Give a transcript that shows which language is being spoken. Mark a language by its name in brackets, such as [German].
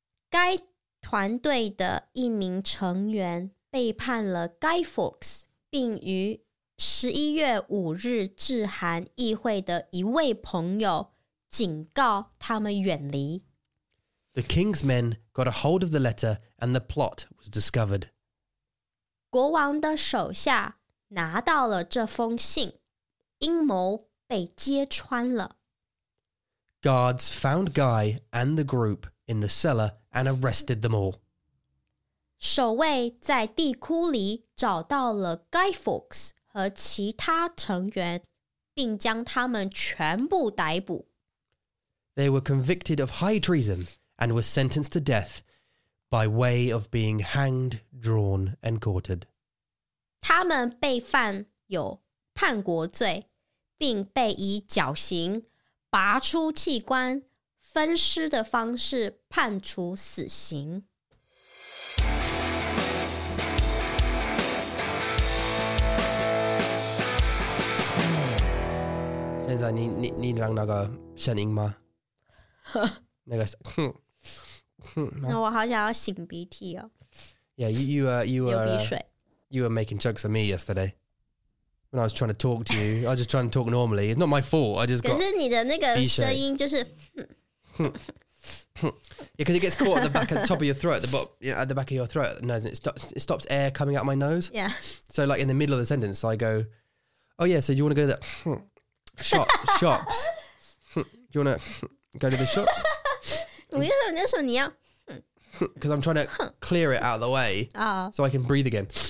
[Chinese] 该团队的一名成员背叛了 Guy Fawkes, 并于11月5日致函议会的一位朋友警告他们远离。 [English] The king's men got a hold of the letter and the plot was discovered. [Chinese] 国王的手下拿到了这封信,阴谋被揭穿了。 [English] Guards found Guy and the group in the cellar and arrested them all. [Chinese] 守卫在地窟里找到了 Guy Fawkes 和其他成员,并将他们全部逮捕。 [English] They were convicted of high treason. And was sentenced to death by way of being hanged, drawn, and quartered. [Chinese] 他们被犯有叛国罪，并被以绞刑、拔出器官、分尸的方式判处死刑。现在你让那个声音吗？那个哼。我好想要擤鼻涕哦。 [English] Yeah, you were [Chinese] 流鼻水。 [English] You were making jokes of me yesterday when I was trying to talk to you. I was just trying to talk normally. It's not my fault. I just got [Chinese] 可是你的那个声音就是 [English] Yeah, because it gets caught at the back of the top of your throat, at the back of your throat. No, it stops air coming out of my nose. Yeah. So like in the middle of the sentence, so I go, oh yeah, so you want to go to the shops? Do you want to go to the shops? Because I'm trying to clear it out of the way so I can breathe again.